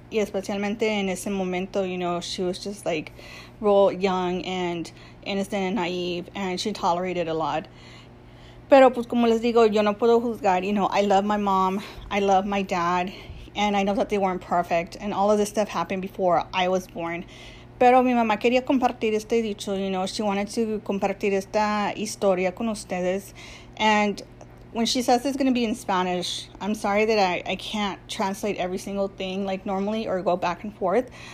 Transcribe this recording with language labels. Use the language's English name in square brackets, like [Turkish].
[Spanish] Y especialmente en ese momento, [English] you know, she was just like real young and innocent and naive. And she tolerated a lot. [Spanish] Pero pues como les digo, yo no puedo juzgar. [English] You know, I love my mom. I love my dad. And I know that they weren't perfect. And all of this stuff happened before I was born. [Spanish] Pero mi mamá quería compartir este dicho, [English] you know. She wanted to [Spanish] compartir esta historia con ustedes. [English] And when she says it's going to be in Spanish, I'm sorry that I can't translate every single thing like normally or go back and forth.